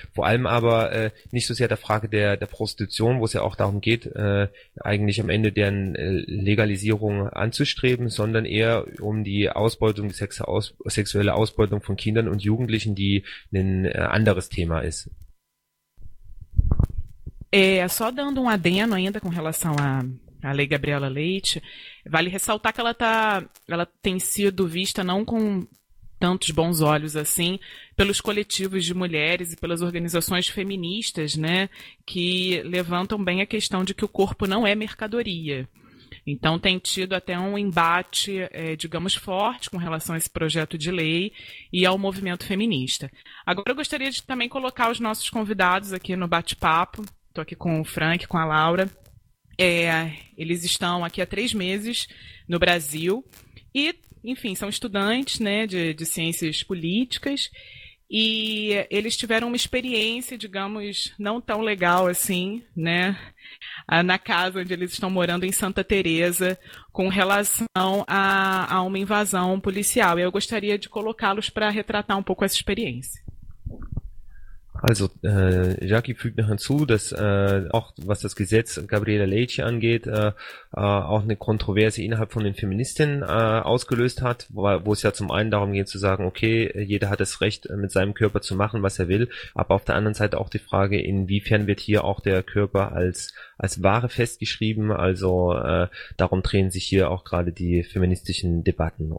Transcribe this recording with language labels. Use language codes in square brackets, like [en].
[de] Vor allem aber nicht so sehr der Frage der Prostitution, wo es ja auch darum geht, eigentlich am Ende deren Legalisierung anzustreben, sondern eher um die Ausbeutung, sexuelle Ausbeutung von Kindern und Jugendlichen, die ein anderes Thema ist. [pt] Só dando um adendo ainda com relação à Lei Gabriela Leite, vale ressaltar que ela tem sido vista não com tantos bons olhos assim pelos coletivos de mulheres e pelas organizações feministas, né, que levantam bem a questão de que o corpo não é mercadoria. Então tem tido até um embate, digamos, forte com relação a esse projeto de lei e ao movimento feminista. Agora eu gostaria de também colocar os nossos convidados aqui no bate-papo. Estou aqui com o Frank, com a Laura. Eles estão aqui há 3 meses no Brasil e, enfim, são estudantes, né, de ciências políticas, e eles tiveram uma experiência, digamos, não tão legal assim, né, na casa onde eles estão morando em Santa Teresa, com relação a uma invasão policial. E eu gostaria de colocá-los para retratar um pouco essa experiência. [de] Also, Jackie fügt noch hinzu, dass auch was das Gesetz Gabriela Leitch angeht, auch eine Kontroverse innerhalb von den Feministinnen ausgelöst hat, wo es ja zum einen darum geht zu sagen, okay, jeder hat das Recht, mit seinem Körper zu machen, was er will, aber auf der anderen Seite auch die Frage, inwiefern wird hier auch der Körper als Ware festgeschrieben, also darum drehen sich hier auch gerade die feministischen Debatten.